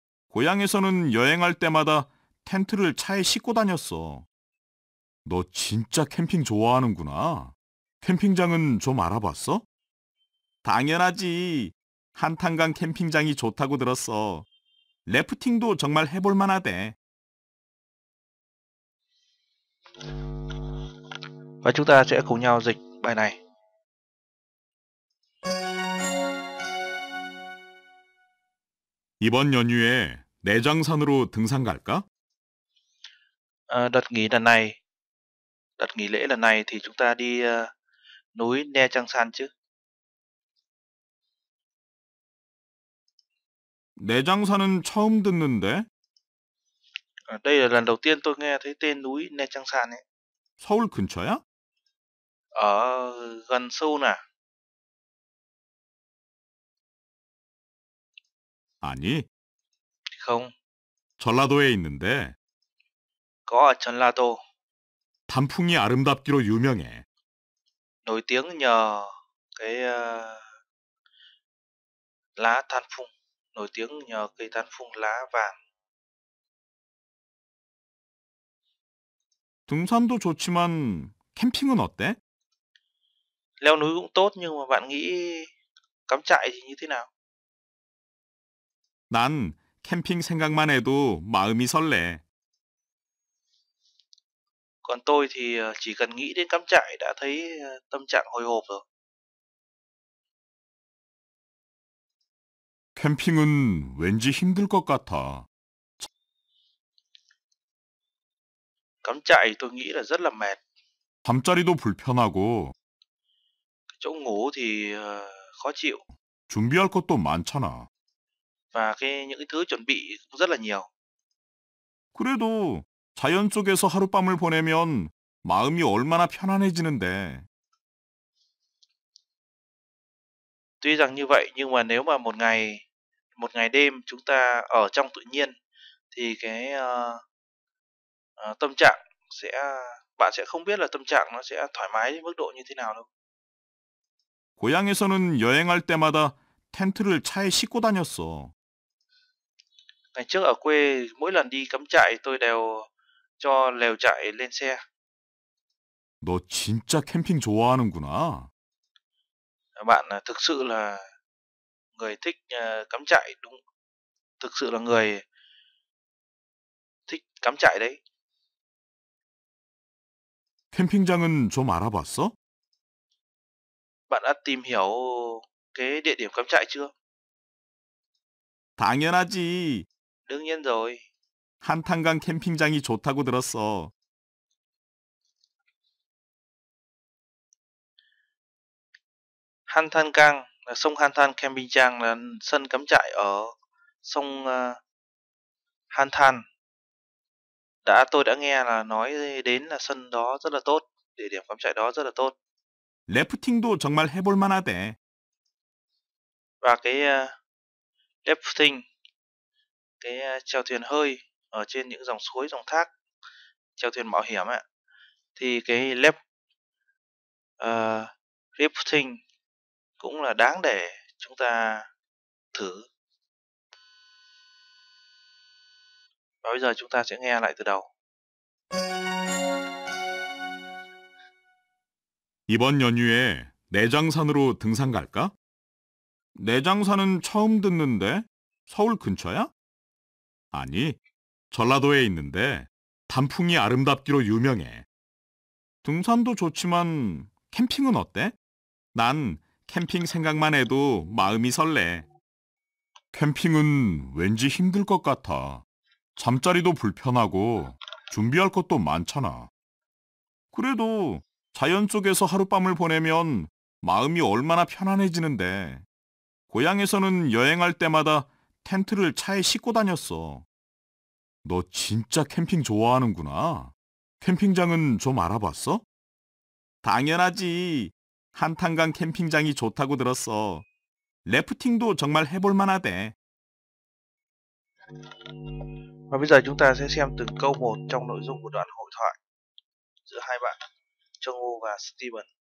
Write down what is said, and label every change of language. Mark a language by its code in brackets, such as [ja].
[ko] 고향에서는 여행할 때마다 텐트를 차에 싣고 다녔어. 너 진짜 캠핑 좋아하는구나. 캠핑장은 좀 알아봤어? 당연하지. 한탄강 캠핑장이 좋다고 들었어. 래프팅도 정말 해볼 만하대. [vi] và chúng ta sẽ cùng nhau dịch bài này. [ko] 이번 연휴에 내장산으로 등산 갈까? [vi] Đợt nghỉ lễ lần này thì chúng ta đi núi Nè Trăng San chứ? [ko] 내장산은 처음 듣는데? [vi] Đây là lần đầu tiên tôi nghe thấy tên núi Nè Trăng San ấy. [ko] 서울 근처야? [vi] Ở gần Seoul à? [ko] 아니. [vi] Không. [ko] 전라도에 있는데. [vi] Có ở Jeollado. [ko] 단풍이 아름답기로 유명해. [vi] Nổi tiếng nhờ cái lá than phung. Nổi tiếng nhờ cây than phung lá vàng. [ko] 등산도 좋지만 캠핑은 어때? [vi] Leo núi cũng tốt nhưng mà bạn nghĩ cắm trại thì như thế nào? [ko] 난 캠핑 생각만 해도 마음이 설레. [vi] Còn tôi thì chỉ cần nghĩ đến cắm trại đã thấy tâm trạng hồi hộp rồi. [ko] 캠핑은 왠지 힘들 것 같아. [vi] Cắm trại tôi nghĩ là rất là mệt. [ko] 잠자리도 불편하고. [vi] Chỗ ngủ thì khó chịu. [ko] 준비할 것도 많잖아. [vi] Và cái những thứ chuẩn bị cũng rất là nhiều. [ko] 그래도 자연 속에서 하룻밤을 보내면 마음이 얼마나 편안해지는데. [vi] Tuy rằng như vậy nhưng mà nếu mà một ngày đêm chúng ta ở trong tự nhiên thì cái tâm trạng sẽ bạn sẽ không biết là tâm trạng nó sẽ thoải mái đến mức độ như thế nào đâu. [ko] 고향에서는 여행할 때마다 텐트를 차에 싣고 다녔어. [vi] Ngày trước ở quê mỗi lần đi cắm trại tôi đều cho lều trại lên xe. [ko] 너 진짜 캠핑 좋아하는구나. [vi] Bạn thực sự là người thích cắm trại đúng. Thực sự là người thích cắm trại đấy. [ko] 캠핑장은 좀 알아봤어? [vi] Bạn đã tìm hiểu cái địa điểm cắm trại chưa? [ko] 당연하지. [vi] Đương nhiên rồi. [ko] 한탄강 캠핑장이 좋다고 들었어. [vi] Hantangang, sông Hantan Campingjang là sân cắm trại ở sông Hantan. Tôi đã nghe là nói đến là sân đó rất là tốt, địa điểm cắm trại đó rất là tốt. [ko] 래프팅도 정말 해볼 만하대. [vi] Và cái rafting, cái chèo thuyền hơi ở trên những dòng suối, dòng thác, chèo thuyền mạo hiểm ạ. Thì cái rafting cũng là đáng để chúng ta thử. Và bây giờ chúng ta sẽ nghe lại từ đầu. [ko] 이번 연휴에 내장산으로 등산 갈까? 내장산은 처음 듣는데 서울 근처야? 아니, 전라도에 있는데 단풍이 아름답기로 유명해. 등산도 좋지만 캠핑은 어때? 난 캠핑 생각만 해도 마음이 설레. 캠핑은 왠지 힘들 것 같아. 잠자리도 불편하고 준비할 것도 많잖아. 그래도 자연 속에서 하룻밤을 보내면 마음이 얼마나 편안해지는데. 고향에서는 여행할 때마다 텐트를 차에 싣고 다녔어. 너 진짜 캠핑 좋아하는구나. 캠핑장은 좀 알아봤어? 당연하지. 한탄강 캠핑장이 좋다고 들었어. 래프팅도 정말 해볼 만하대. [vi] Và bây giờ chúng ta sẽ xem từng câu một trong nội dung của đoạn hội thoại giữa hai bạn, Jung-woo và Steven.